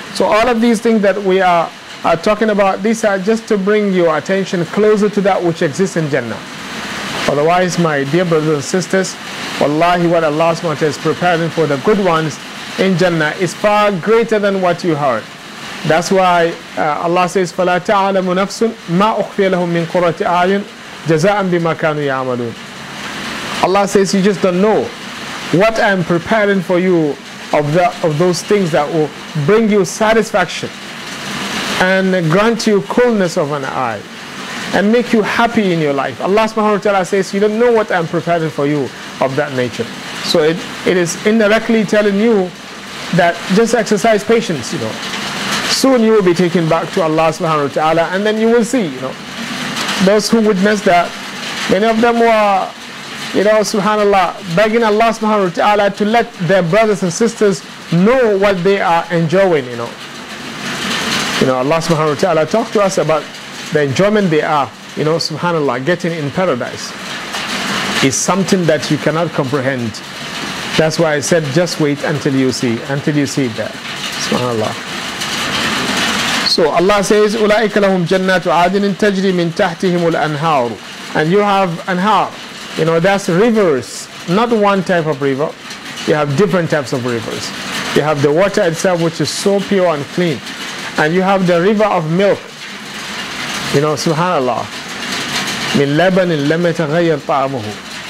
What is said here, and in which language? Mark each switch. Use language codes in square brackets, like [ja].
[en] So all of these things that we are talking about, these are just to bring your attention closer to that which exists in Jannah. Otherwise, my dear brothers and sisters, wallahi, what Allah subhanahu wa ta'ala is preparing for the good ones, in Jannah is far greater than what you heard. That's why Allah says, [ar] فَلَا تَعْلَمُ نَفْسٌ مَا أُخْفِيَ لَهُمْ مِنْ قُرَّةِ أَعْيُنٍ جَزَاءً بِمَا كَانُوا يَعْمَلُونَ. [en] Allah says, you just don't know what I am preparing for you of those things that will bring you satisfaction and grant you coolness of an eye and make you happy in your life. Allah subhanahu wa ta'ala says, you don't know what I am preparing for you of that nature. So it is indirectly telling you that just exercise patience, you know. Soon you will be taken back to Allah subhanahu wa ta'ala, and then you will see, you know. Those who witnessed that, many of them were, you know, subhanAllah, begging Allah subhanahu wa ta'ala to let their brothers and sisters know what they are enjoying, you know. You know, Allah subhanahu wa ta'ala talked to us about the enjoyment they are, you know, subhanAllah, getting in paradise is something that you cannot comprehend. That's why I said, just wait until you see that, subhanAllah. So Allah says, [ar] أُولَٰئِكَ لَهُمْ جَنَّاتُ عَادٍ تَجْرِي مِنْ تَحْتِهِمُ الْأَنْهَارُ. [en] And you have anhar, you know, that's rivers, not one type of river. You have different types of rivers. You have the water itself, which is so pure and clean. And you have the river of milk, you know, subhanAllah. [ar] مِنْ لَبَنٍ لَمْ يَتَغَيَّرْ طَعْمُهُ.